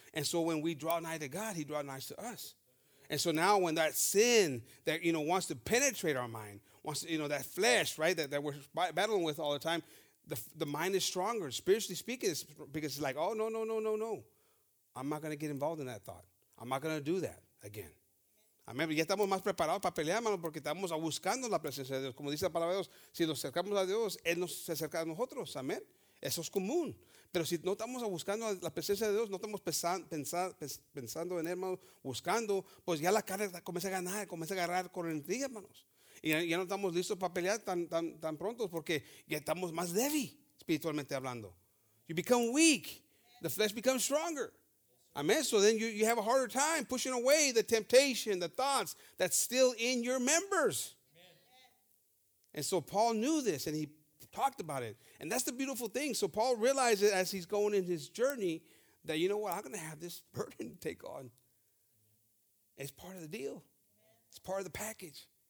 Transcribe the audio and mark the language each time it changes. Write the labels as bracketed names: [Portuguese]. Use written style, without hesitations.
[English] And so when we draw nigh to God, he draws nigh to us. And so now when that sin that, you know, wants to penetrate our mind, wants to, you know, that flesh, right, that we're battling with all the time, the mind is stronger, spiritually speaking, because it's like, oh, no. I'm not going to get involved in that thought. I'm not going to do that again. Amén. [Spanish] Ya estamos más preparados para pelear, hermano, porque estamos buscando la presencia de Dios. Como dice la palabra de Dios, si nos acercamos a Dios, Él nos se acerca a nosotros. Amén. Eso es común. Pero si no estamos buscando la presencia de Dios, no estamos pensando en Él, hermano, buscando, pues ya la carne comienza a ganar, comienza a agarrar correntía, hermanos. Y ya no estamos listos para pelear tan pronto porque ya estamos más débiles, espiritualmente hablando. [English] You become weak. The flesh becomes stronger. Amen. So then you have a harder time pushing away the temptation, the thoughts that's still in your members. And so Paul knew this and he talked about it. And that's the beautiful thing. So Paul realizes as he's going in his journey that, you know what, I'm going to have this burden to take on. It's part of the deal. It's part of the package.